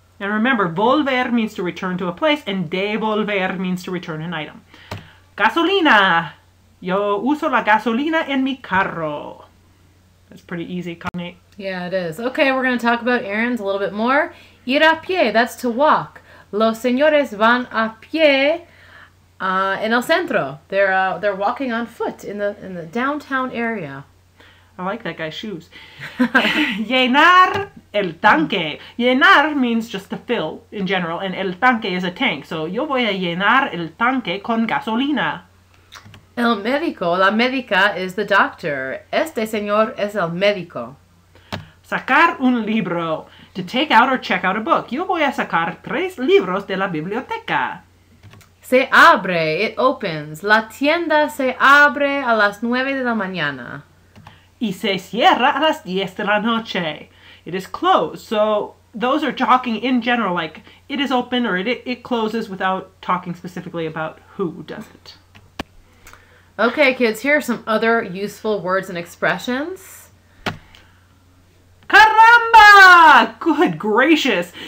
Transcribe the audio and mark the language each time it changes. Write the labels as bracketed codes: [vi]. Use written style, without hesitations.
[en] And remember, volver means to return to a place, and devolver means to return an item. [es] Gasolina. Yo uso la gasolina en mi carro. [en] That's pretty easy, Connie. Yeah, it is. Okay, we're going to talk about errands a little bit more. Ir a pie, that's to walk. [es] Los señores van a pie en el centro. [en] They're walking on foot in the downtown area. I like that guy's shoes. Llenar el tanque. Llenar means just to fill in general, and el tanque is a tank. [es] So yo voy a llenar el tanque con gasolina. El médico, la médica [en] is the doctor. [es] Este señor es el médico. Sacar un libro, [en] to take out or check out a book. [es] Yo voy a sacar tres libros de la biblioteca. [en] Se abre. It opens. [es] La tienda se abre a las 9 de la mañana. Y se cierra a las 10 de la noche. [en] It is closed. So those are talking in general, like it is open or it closes without talking specifically about who does it. Okay, kids, here are some other useful words and expressions. Caramba! Good gracious!